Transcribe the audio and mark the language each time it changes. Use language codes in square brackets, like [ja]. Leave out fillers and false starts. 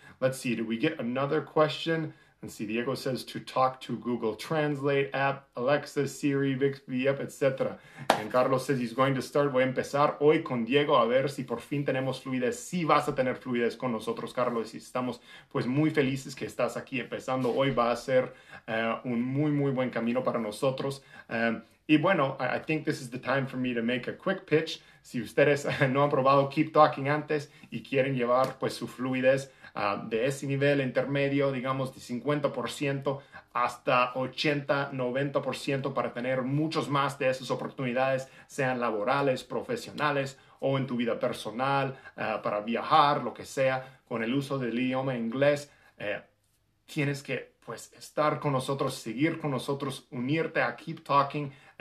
[en] Let's see, do we get another question? Let's see, Diego says to talk to Google Translate app, Alexa, Siri, Bixby, yep, etc. And Carlos says he's going to start, [es] voy a empezar hoy con Diego a ver si por fin tenemos fluidez, si vas a tener fluidez con nosotros, Carlos, y estamos pues muy felices que estás aquí empezando. Hoy va a ser un muy, muy buen camino para nosotros. Y bueno, [en] I think this is the time for me to make a quick pitch. [es] Si ustedes no han probado Keep Talking antes y quieren llevar pues su fluidez de ese nivel intermedio, digamos de 50% hasta 80, 90% para tener muchos más de esas oportunidades, sean laborales, profesionales o en tu vida personal, para viajar, lo que sea, con el uso del idioma inglés, tienes que pues estar con nosotros, seguir con nosotros, unirte a Keep Talking.